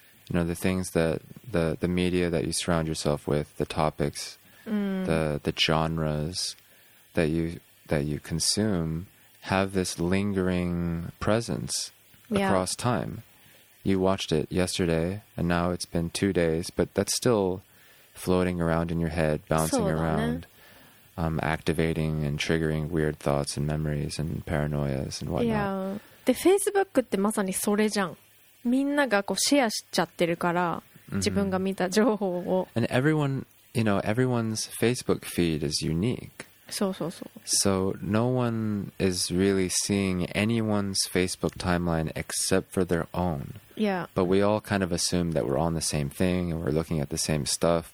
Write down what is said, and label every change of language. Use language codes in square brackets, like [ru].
[en] You know, the things that the media that you surround yourself with, the topics, the genres that you consume have this lingering presence across time. You watched it yesterday and now it's been 2 days, but that's still floating around in your head, bouncing around. Activating and triggering weird thoughts and memories and paranoias and whatnot. [ja] Yeah. で、Facebook ってまさにそれじゃん。みんながこうシェアしちゃってるから、自分が見た情報を。 [en] And everyone, you know, everyone's Facebook feed is unique. [ja] そうそうそう。 [en] So no one is really seeing anyone's Facebook timeline except for their own. Yeah. But we all kind of assume that we're on the same thing and we're looking at the same stuff.